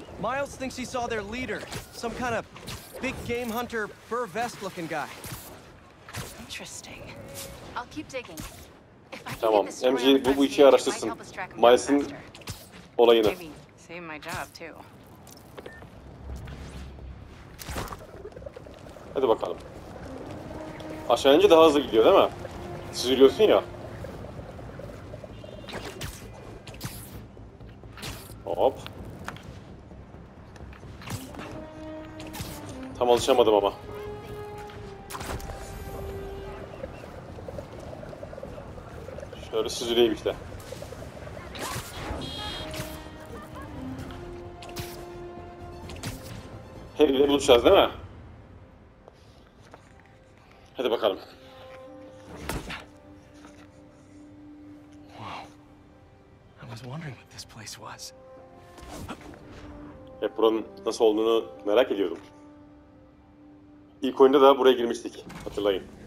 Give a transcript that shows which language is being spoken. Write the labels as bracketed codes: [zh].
[en] Miles thinks he saw their leader, some kind of big game hunter, fur vest looking guy. Interesting. I'll keep digging. [tr] Tamam, MJ bu işi araştırsın. Miles'in olayını. [en] Save my job too. [tr] Hadi bakalım. Aşağı ince daha hızlı gidiyor, değil mi? Süzülüyorsun ya. Hop. Tam alışamadım ama. Şöyle süzüleyim işte. Harry'le buluşacağız değil mi? Hadi bakalım. [en] Wow. I was wondering what this place was. [tr] Hep buranın nasıl olduğunu merak ediyordum. İlk oyunda da buraya girmiştik, hatırlayın.